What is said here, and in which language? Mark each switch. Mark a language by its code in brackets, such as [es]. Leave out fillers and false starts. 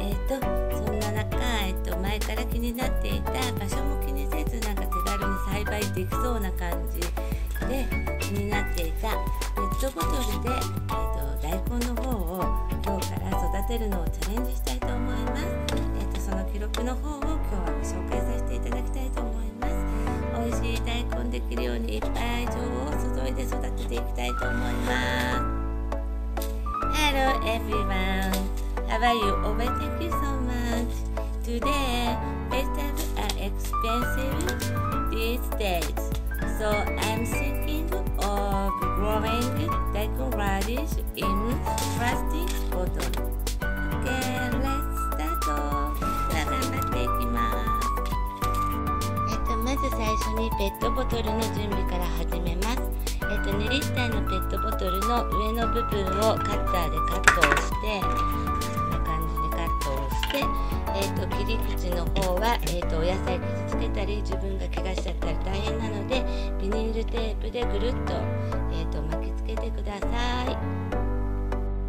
[ja] そんな中、前から気になっていた場所も気にせず、なんか手軽に栽培できそうな感じで気になっていたペットボトルで、大根の方を今日から育てるのをチャレンジしたいと思います。その記録の方を今日はご紹介させていただきたいと思います。美味しい大根できるようにいっぱい情報を注いで育てていきたいと思います。 [en] Hello everyone, how are you? Oh, thank you so much. Today, vegetables are expensive these days, so I'm thinking of growing daikon radish in plastic bottle. Okay, let's start. [ja] じゃあ頑張っていきます。まず最初にペットボトルの準備から始めます。 2リッターのペットボトルの上の部分をカッターでカットをして、こんな感じでカットをして、切り口の方は、お野菜傷つけたり自分が怪我しちゃったら大変なので、ビニールテープでぐるっと、巻きつけてください。